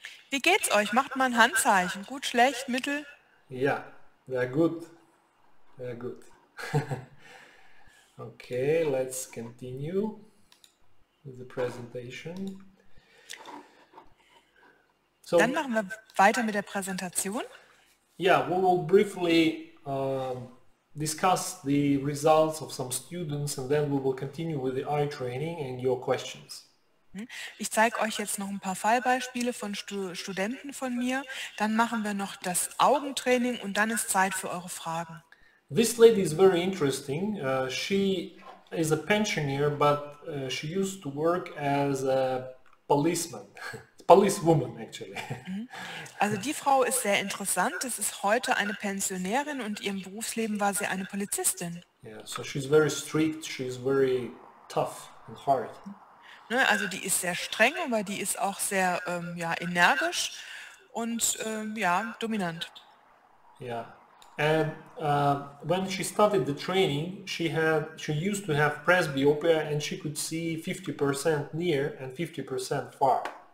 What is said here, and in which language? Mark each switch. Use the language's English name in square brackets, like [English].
[German] Wie geht's euch? Macht mal ein Handzeichen. Gut, schlecht, mittel? Ja, sehr gut. Sehr gut. [English] Okay, let's continue with the presentation. [German] So, dann machen wir weiter mit der Präsentation. [English] Ja, yeah, we will briefly discuss the results of some students and then we will continue with the eye training and your questions. [German] Ich zeige euch jetzt noch ein paar Fallbeispiele von Studenten von mir. Dann machen wir noch das Augentraining und dann ist Zeit für eure Fragen. [English] This lady is very interesting. She is a pensioner, but she used to work as a policeman, policewoman actually. [German] Also die Frau ist sehr interessant. Es ist heute eine Pensionärin und ihrem Berufsleben war sie eine Polizistin. [English] Yeah, so she's very strict, she's very tough and hard. [German] Ne, also die ist sehr streng, aber die ist auch sehr ja, energisch und ja, dominant. [English] Yeah. And when she started the training, she used to have presbyopia and she could see 50% near and 50% far.